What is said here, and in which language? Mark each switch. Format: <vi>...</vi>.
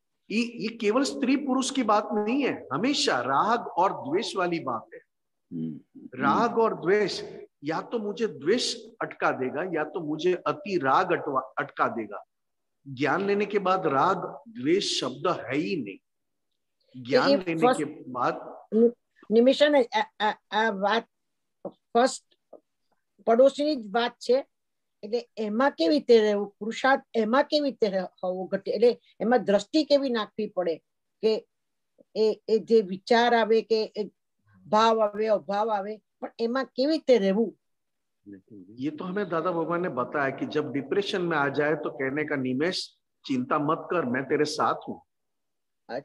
<hi>ये केवल स्त्री पुरुष की बात नहीं है, हमेशा राग और द्वेष वाली बात है। राग और द्वेष या तो मुझे द्वेष अटका देगा या तो मुझे अति राग अटका देगा। ज्ञान लेने के बाद राग द्वेष शब्द है ही नहीं। ज्ञान लेने के बाद</hi> <gu>निमिषन बात फर्स्ट पड़ोसी बात छे એટલે એમાં કેવી રીતે રહેવું, પુરુષાર્થ એમાં કેવી રીતે હોવું ઘટે, એટલે એમાં દ્રષ્ટિ કેવી નાખવી પડે કે એ જે વિચાર આવે કે ભાવ આવે અભાવ આવે પણ એમાં કેવી રીતે રહેવું।</gu> <hi>ये तो हमें दादा भगवान ने बताया कि जब डिप्रेशन में आ जाए तो कहने का निमेश चिंता मत कर मैं तेरे साथ हूँ। अच्छा।</hi>